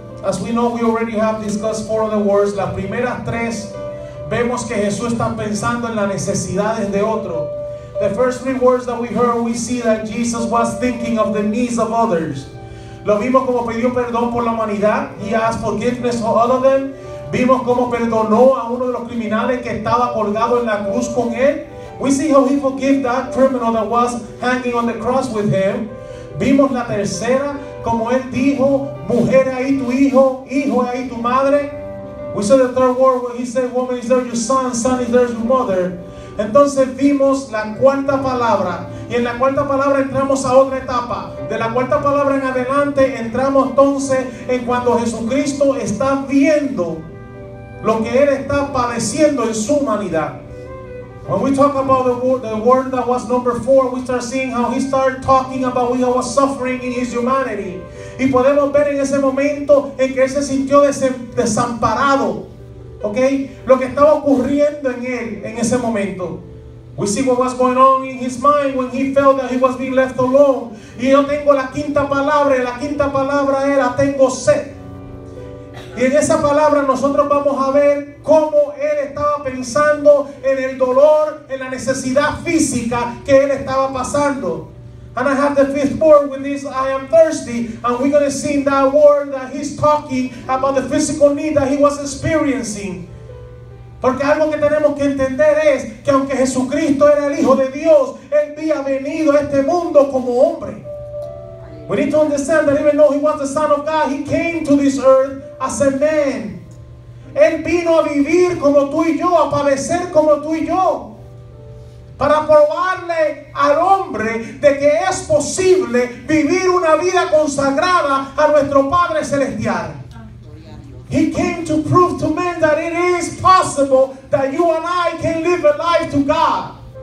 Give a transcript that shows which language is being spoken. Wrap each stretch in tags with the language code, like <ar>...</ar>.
<en>As we know, we already have discussed four of the words.</en> <es>Las primeras tres, vemos que Jesús está pensando en las necesidades de otro.</es> <en>The first three words that we heard, we see that Jesus was thinking of the needs of others.</en> <es>Lo vimos como pidió perdón por la humanidad.</es> <en>He asked forgiveness for all of them.</en> <es>Vimos como perdonó a uno de los criminales que estaba colgado en la cruz con él.</es> <en>We see how he forgave that criminal that was hanging on the cross with him.</en> <es>Vimos la tercera, como él dijo, mujer, ahí tu hijo, hijo, ahí tu madre.</es> <en>We saw the third word when he said, woman, is there your son? Son, is there your mother?</en> <es>Entonces vimos la cuarta palabra. Y en la cuarta palabra entramos a otra etapa. De la cuarta palabra en adelante, entramos entonces en cuando Jesucristo está viendo lo que él está padeciendo en su humanidad.</es> <en>When we talk about the word that was number four, we start seeing how he started talking about what he was suffering in his humanity.</en> <es>Y podemos ver en ese momento en que él se sintió desamparado. Okay? Lo que estaba ocurriendo en él en ese momento.</es> <en>We see what was going on in his mind when he felt that he was being left alone.</en> <es>Y yo tengo la quinta palabra. La quinta palabra era, tengo sed. Y en esa palabra nosotros vamos a ver cómo él estaba pensando en el dolor, en la necesidad física que él estaba pasando.</es> <en>And I have the fifth word with this, I am thirsty. And we're going to see in that word that he's talking about the physical need that he was experiencing.</en> <es>Porque algo que tenemos que entender es que aunque Jesucristo era el Hijo de Dios, él había venido a este mundo como hombre.</es> <en>We need to understand that even though he was the Son of God, he came to this earth as a man.</en> <es>Él vino a vivir como tú y yo, a padecer como tú y yo, para probarle al hombre de que es posible vivir una vida consagrada a nuestro Padre Celestial.</es> <en>He came to prove to men that it is possible that you and I can live a life to God.</en>